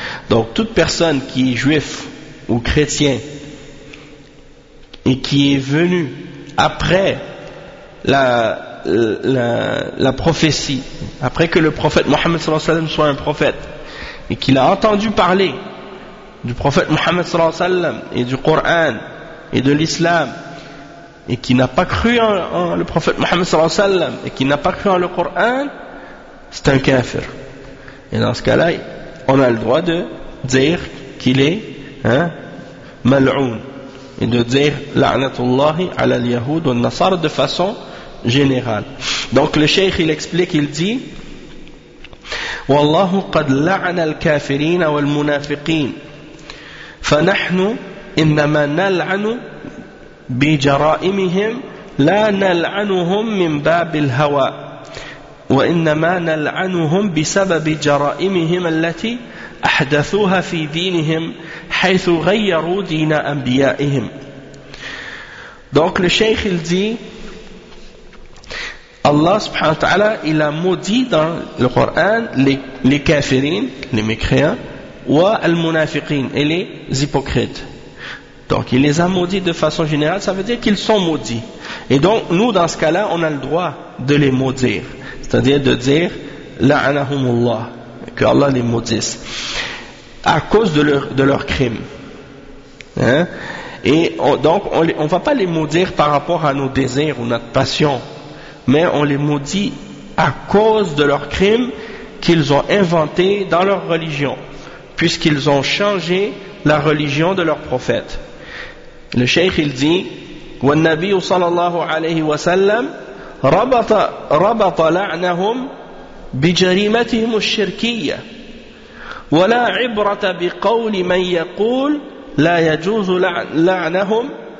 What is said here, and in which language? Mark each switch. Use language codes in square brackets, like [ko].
[fr] Donc, toute personne qui est juif ou chrétien et qui est venue après la prophétie, après que le prophète Mohammed sallallahu alayhi wa sallam soit un prophète, et qu'il a entendu parler du prophète Mohammed sallallahu alayhi wa sallam et du Coran et de l'islam, et qui n'a pas cru en le prophète Mohammed sallallahu alayhi wa sallam et qui n'a pas cru en le Coran, c'est un kafir. Et dans ce cas-là, on a le droit de dire qu'il est mal'oun, et de dire [ar] la'natullahi ala al-yahoud wa al-nasara [fr] de façon générale. Donc le cheikh, il explique, il dit: [ar] والله قد لعن الكافرين والمنافقين فنحن إنما نلعن بجرائمهم لا نلعنهم من باب الهوى وإنما نلعنهم بسبب جرائمهم التي أحدثوها في دينهم حيث غيروا دين أنبيائهم. [fr] Donc le cheikh, il dit, Allah subhanahu wa ta'ala, il a maudit dans le Coran les kafirines, les mécréants, et les hypocrites. Donc il les a maudits de façon générale, ça veut dire qu'ils sont maudits. Et donc nous, dans ce cas-là, on a le droit de les maudire, c'est-à-dire de dire la'anahumullah, que Allah les maudisse à cause de leur crime. Hein? Et on va pas les maudire par rapport à nos désirs ou notre passion, mais on les maudit à cause de leur crime qu'ils ont inventé dans leur religion, puisqu'ils ont changé la religion de leur prophète. Le cheikh, il dit, [ar] والنبي صلى الله عليه وسلم ربط لعنهم بجريمتهم الشركية ولا عبرة بقول من يقول لا يجوز لعنهم